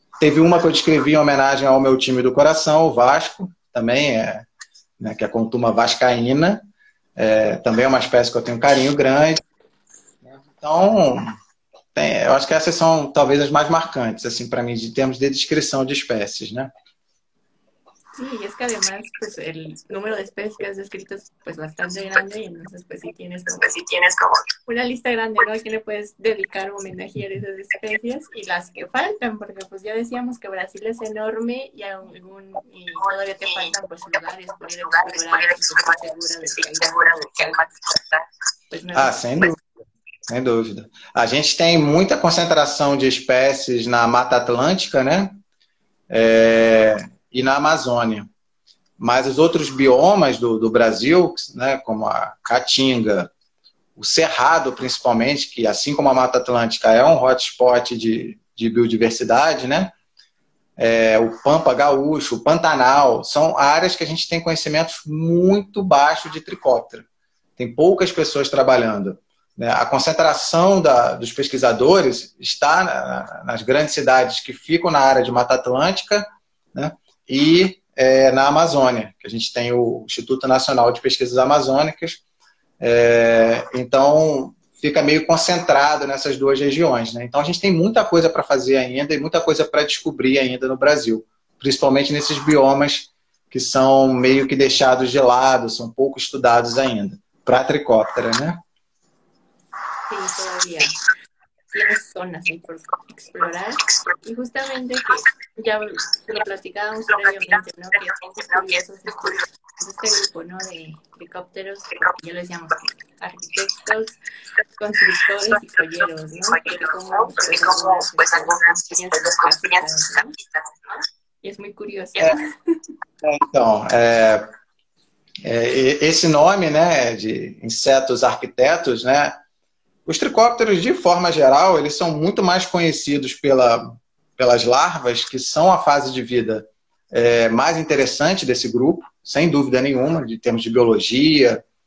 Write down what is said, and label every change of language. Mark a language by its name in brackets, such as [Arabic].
[Portuguese] Teve uma que eu descrevi em homenagem ao meu time do coração, o Vasco, também né, que é a Contuma vascaína. Também é uma espécie que eu tenho um carinho grande. Então, eu acho que essas são talvez as mais marcantes, assim, para mim, em termos de descrição de espécies, né? [Spanish] Sí, es que además, pues el número de especies que has descrito es pues bastante grande, y entonces pues sí tienes como una lista grande, ¿no? A quién le puedes dedicar o homenajear esas especies y las que faltan, porque pues ya decíamos que Brasil es enorme y y todavía te faltan pues lugares por ir a explorar, y que estoy segura de que ahí vas a encontrar pues Ah, nuevas [Portuguese] sem [Spanish] especies. [Portuguese] dúvida. Sem dúvida. A gente tem muita concentração de espécies na Mata Atlântica, né? E na Amazônia. Mas os outros biomas do Brasil, né, como a Caatinga, o Cerrado, principalmente, que assim como a Mata Atlântica é um hotspot de biodiversidade, né? O Pampa Gaúcho, o Pantanal, são áreas que a gente tem conhecimentos muito baixo de tricóptero. Tem poucas pessoas trabalhando. A concentração dos pesquisadores está nas grandes cidades que ficam na área de Mata Atlântica, né, e na Amazônia, que a gente tem o Instituto Nacional de Pesquisas Amazônicas. Então, fica meio concentrado nessas duas regiões, né? Então, a gente tem muita coisa para fazer ainda e muita coisa para descobrir ainda no Brasil, principalmente nesses biomas que são meio que deixados de lado, são pouco estudados ainda, para a tricóptera, né? [Spanish] Sí, todavía tienes zonas ahí por explorar. Y justamente que ya lo platicábamos previamente, ¿no? Que es curioso este grupo, ¿no? De helicópteros, como ya lo decíamos, arquitectos, constructores y colleros, ¿no? Pero como pues algunas especies son casistas, ¿no? Y es muy curioso. [Portuguese] Então, esse nome, né, de insetos arquitetos, né, os tricópteros, de forma geral, eles são muito mais conhecidos pelas larvas, que são a fase de vida mais interessante desse grupo, sem dúvida nenhuma, em termos de biologia,